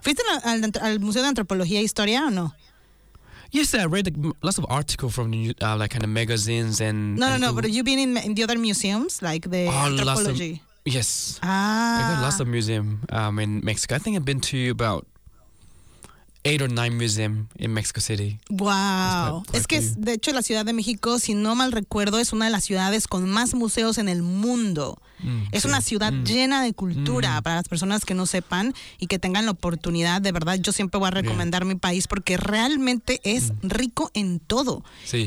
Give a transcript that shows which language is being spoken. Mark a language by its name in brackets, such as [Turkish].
[Spanish] ¿Fuiste al Museo de Antropología e Historia o no? [English] Yes, I read lots of articles from like kind of magazines and... No, but you've been in the other museums, like the Anthropology? Yes. Ah. I've got lots of museums in Mexico. I think I've been to about 8 or 9 museums in Mexico City. Wow. [Spanish] Es que, de hecho, la Ciudad de México, si no mal recuerdo, es una de las ciudades con más museos en el mundo. Es una ciudad llena de cultura, para las personas que no sepan y que tengan la oportunidad. De verdad, yo siempre voy a recomendar mi país porque realmente es rico en todo. Sí.